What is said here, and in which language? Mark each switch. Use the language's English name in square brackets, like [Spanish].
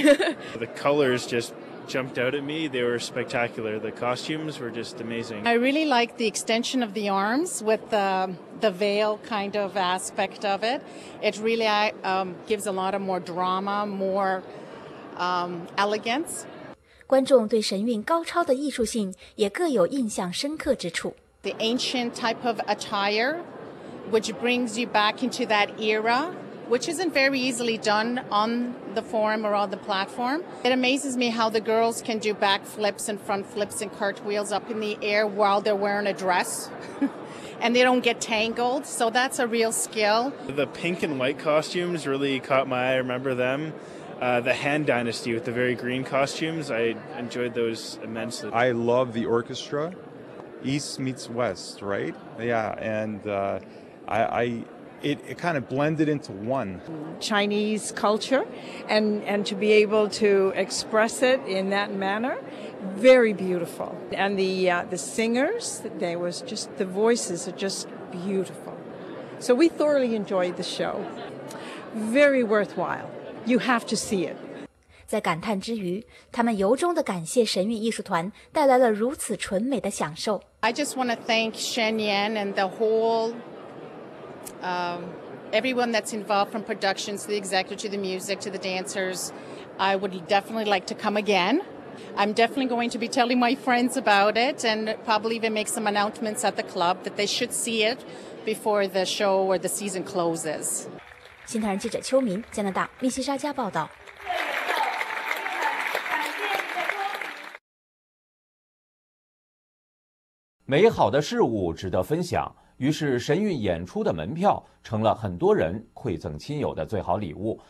[English] The colors just jumped out at me. They were spectacular. The costumes were just amazing. I really liked the extension of the arms with the veil kind of aspect of it. It really gives a lot of more drama, more elegance. [Chinese] 观众对神韵高超的艺术性也各有印象深刻之处。 [English] The ancient type of attire, which brings you back into that era, which isn't very easily done on the forum or on the platform. It amazes me how the girls can do backflips and front flips and cartwheels up in the air while they're wearing a dress. And they don't get tangled, so that's a real skill. The pink and white costumes really caught my eye, I remember them. The Han Dynasty with the very green costumes, I enjoyed those immensely. I love the orchestra. East meets West, right? Yeah, and it kind of blended into one. Chinese culture, and to be able to express it in that manner, very beautiful. And the singers, there was just, the voices are just beautiful. So we thoroughly enjoyed the show. Very worthwhile. You have to see it. [Chinese] 在感叹之余，他们由衷地感谢神韵艺术团带来了如此纯美的享受。 [English] I just want to thank Shen Yan and the whole, everyone that's involved from productions, the executive, to the music, to the dancers. I would definitely like to come again. I'm definitely going to be telling my friends about it and probably even make some announcements at the club that they should see it before the show or the season closes. [Chinese] 新唐人记者邱民，加拿大密西沙加报道。美好的事物值得分享，于是神韵演出的门票成了很多人馈赠亲友的最好礼物。